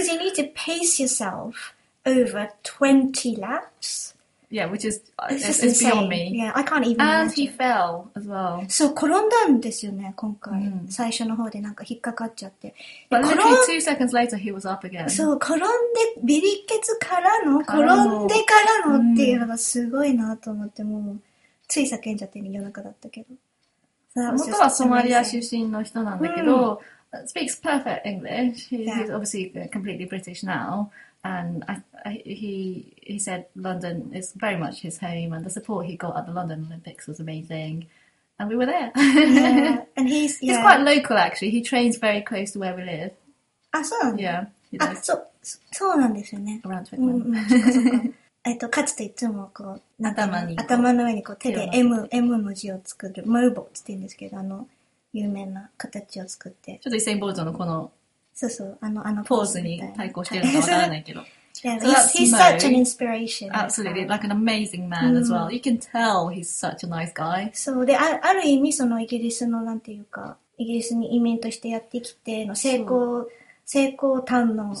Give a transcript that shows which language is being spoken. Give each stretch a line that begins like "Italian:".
English: Because you need to pace yourself over 20 laps Yeah which is it's beyond me Yeah I can't even And And he fell as well
Japanese: そう転んだんですよね今回、最初の方でなんか引っかかっちゃって
English: But literally 2 seconds later he was up again
Japanese: そう転んでビリケツからの転んでからのっていうのがすごいなと思ってもうつい叫んじゃってね夜中だったけど元はソマリア出身の人なんだけど、
English: speaks perfect English he's obviously completely British nowAnd he said London is very much his home, and the support he got at the London Olympics was amazing. And we were there. Yeah, and he's, yeah. He's quite local, actually. He trains very close to where we live. Ah, so? Yeah. So, so, so, around Twickenham.
Japanese: かつていつもこう、頭の上にこう手で M の字を作る、モーボットって言うんですけど、あの、有名な形を作って。ちょっとイセインボルトのこの、そうそうあのポーズに対抗してるのかわからないけど。
English: yeah, so、he's such an inspiration. Absolutely, like an amazing man、as well. You can tell he's such a nice guy.
Japanese: そうで、ある意味そのイギリスのなんていうか、イギリスに移民としてやってきての成功堪能、